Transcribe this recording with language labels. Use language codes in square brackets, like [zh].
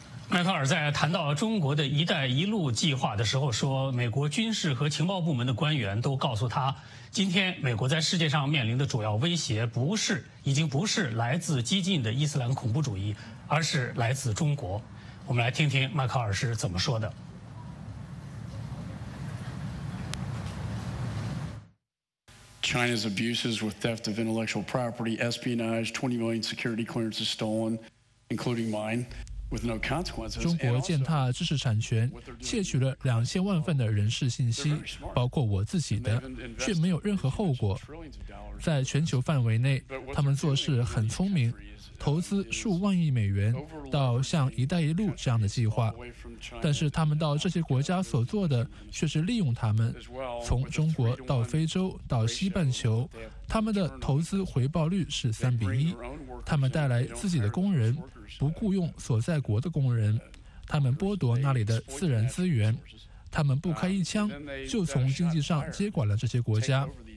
[zh] 麦克尔在谈到中国的一带一路计划的时候说，美国军事和情报部门的官员都告诉他，今天美国在世界上面临的主要威胁不是，已经不是来自激进的伊斯兰恐怖主义，而是来自中国。我们来听听麦克尔是怎么说的。 [en] China's abuses with theft of intellectual property, espionage, 20 million security clearances stolen, including mine. [zh] 中国践踏知识产权，窃取了2000万份的人事信息，包括我自己的，却没有任何后果。在全球范围内，他们做事很聪明，投资数万亿美元到像一带一路这样的计划，但是他们到这些国家所做的却是利用他们，从中国到非洲到西半球，他们的投资回报率是3:1，他们带来自己的工人，不雇用所在国的工人，他们剥夺那里的自然资源，他们不开一枪就从经济上接管了这些国家。